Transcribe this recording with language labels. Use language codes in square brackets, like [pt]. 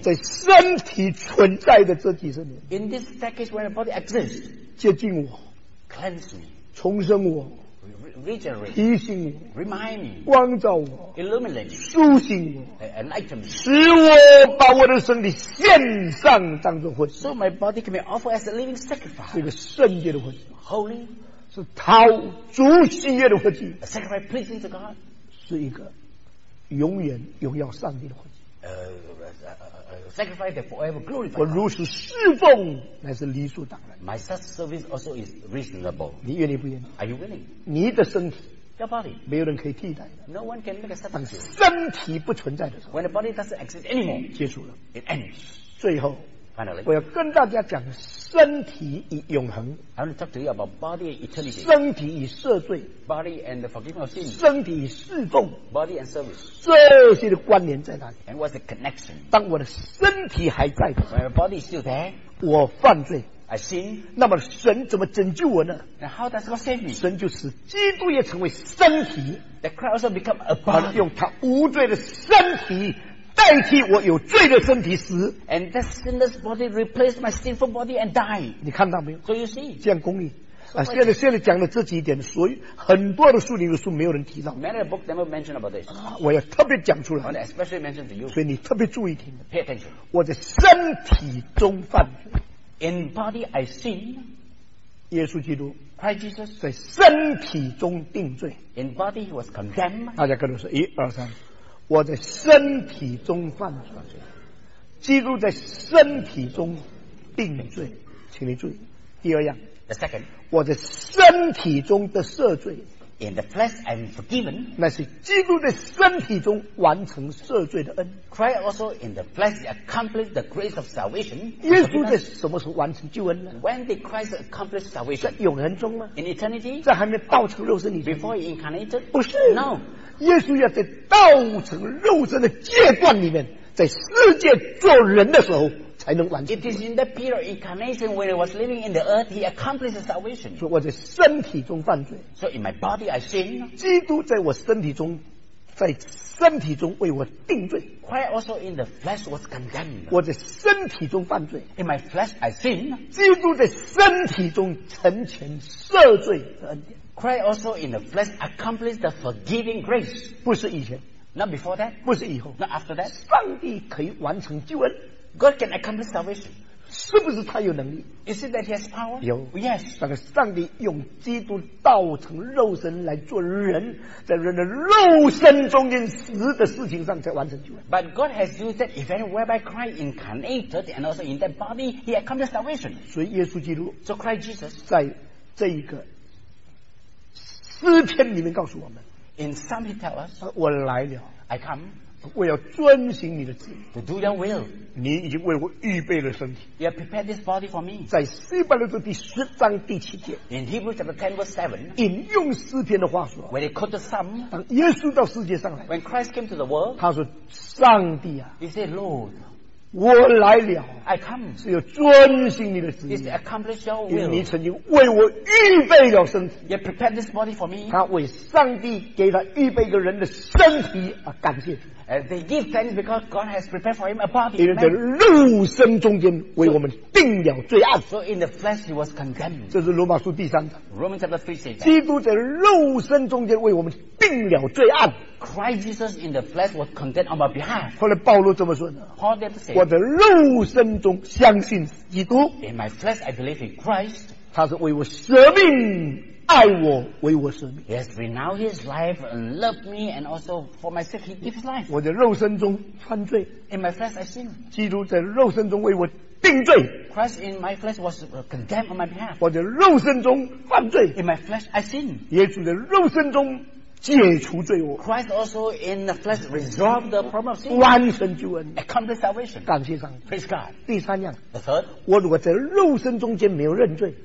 [zh] 在身体存在的这几十年。 [en] In this decade when my body exists. [zh] 接近我。 [en] Cleanse me. [zh] 重生我。 [en] Regenerate. [zh] 提醒我。 [en] Remind me. [zh] 光照我。 [en] Illuminate. [zh] 苏醒我。 [en] Enlighten me. [zh] 使我把我的身体献上当作活祭。 [en] So my body can be offered as a living sacrifice. [zh] 是一个圣洁的活祭。 [en] Holy. [zh] 是讨主喜悦的活祭 [en] A sacrifice pleasing to God [zh] 是一个永远荣耀上帝的活祭 [en] sacrifice that forever glorifies God [zh] 我如此侍奉乃是理所当然 [en] My such service also is reasonable [zh] 你愿意不愿意 [en] Are you willing? [zh] 你的身体 [en] Your body [zh] 没有人可以替代的 [en] No one can make a sacrifice [zh] 当身体不存在的时候 [en] When the body doesn't exist anymore [zh] 结束了 [en] It ends [zh] 最后 [en] Finally [zh] 我要跟大家讲身体与永恒 [en] I want to talk to you about body and eternity [zh] 身体与赦罪 [en] body and the forgiveness of sin [zh] 身体与侍奉 [en] body and service [zh] 这些的关联在哪里 [en] and what's the connection [zh] 当我的身体还在 [en] when my body is still there [zh] 我犯罪 [en] I sin [zh] 那么神怎么拯救我呢 [en] and how does God save me [zh] 神就使基督也成为身体 [en] the Christ also become a body [zh] 用他无罪的身体代替我有罪的身体死 [en] and that sinless body replaced my sinful body and died [zh] 你看到没有 [en] so you see [zh] 这样公义、so 啊、现在讲的这几点所以很多的书里的书没有人提到 [en] many books never mention about this、 [zh] 啊、我要特别讲出来 [en] I want to especially mention to you [zh] 所以你特别注意听 [en] pay attention [zh] 我在身体中犯罪 [en] in body I sin [zh] 耶稣基督 [en] Christ Jesus [zh] 在身体中定罪 [en] in body he was condemned [zh] 大家跟着说一二三我在身体中犯罪，基督在身体中定罪，请你注意。第二样 [en] ，The second， [zh] 我在身体中的赦罪 [en] ，In the flesh I'm forgiven， [zh] 那是基督在身体中完成赦罪的恩。 [en] Christ also in the flesh accomplished the grace of salvation。 [zh] 耶稣在什么时候完成救恩呢 [en] ？When did Christ accomplish salvation？ [zh] 在永恒中吗 [en] ？In eternity？ [zh] 在还没道成肉身里 [en] ？Before he incarnated？ [zh] 不是 [en] ，No。 [zh] 耶稣要在道成肉身的阶段里面，在世界做人的时候才能完成。 [en] It is in that period of incarnation when he was living in the earth, he accomplished the salvation. [zh] 所以我在身体中犯罪。 [en] So in my body I sin. [zh] 基督在我身体中，在身体中为我定罪。 [en] Christ also in the flesh was condemned. [zh] 我在身体中犯罪。 [en] In my flesh I sin. [zh] 基督在身体中成全赦罪的恩典。 [en] Christ also in the flesh accomplished the forgiving grace. [zh] 不是以前 [en] Not before that. [zh] 不是以后 [en] Not after that. [zh] 上帝可以完成救恩 [en] God can accomplish salvation. [zh] 是不是他有能力 [en] Is it that he has power? [zh] 有 [en] Yes. [zh] 但是上帝用基督道成肉身来做人在人的肉身中间死的事情上才完成救恩 [en] But God has used that event whereby Christ incarnated and also in that body he accomplished salvation. [zh] 所以耶稣基督 [en] So Christ Jesus [zh] 在这一个诗篇里面告诉我们 [en] In some he tell us [zh] 我来了 [en] I come [zh] 我要遵行你的旨意 [en] To do your will [zh] 你已经为我预备了身体 [en] You have prepared this body for me [zh] 在希伯来书第十章第七节 [en] In Hebrews chapter 10 verse 7 [zh] 引用诗篇的话说 [en] When he called the Psalm [zh] 当耶稣到世界上来 [en] When Christ came to the world [zh] 他说上帝啊 [en] He said Lord [zh] 我来了 [en] I come [zh] 是要遵行你的旨意 [en] It's accomplish your will [zh] 你曾经为我预备了身体 [en] You prepared this body for me [zh] 他为上帝给他预备一个人的身体而感谢 [en] They give thanks because God has prepared for him a body [zh] 因为在肉身中间为我们定了罪案 [en] So in the flesh he was condemned [zh] 这是罗马书第三章 [en] Romans chapter 3 says [zh] 基督在肉身中间为我们定了罪案 [en] Christ Jesus in the flesh was condemned on my behalf. [zh] 后来保罗怎么说呢 [en] ？Paul did say, [zh] 我的肉身中相信基督。 [en] In my flesh, I believe in Christ. [zh] 他是为我舍命，爱我，为我舍命。 [en] He has renounced his life and loved me, and also for my sake, he gives life. [zh] 我的肉身中犯罪。 [en] In my flesh, I sin. [zh] 基督在肉身中为我定罪。 [en] Christ in my flesh was condemned on my behalf. [zh] 我的肉身中犯罪。 [en] In my flesh, I sin. [zh] 耶稣的肉身中。解除罪恶 [en] Christ also in the flesh resolved the problem of sin [zh] 完成救恩 [en] accomplished salvation [zh] 感谢上帝 [en] Praise God [zh] 第三样 [en] The third [zh] 我如果在肉身中间没有认罪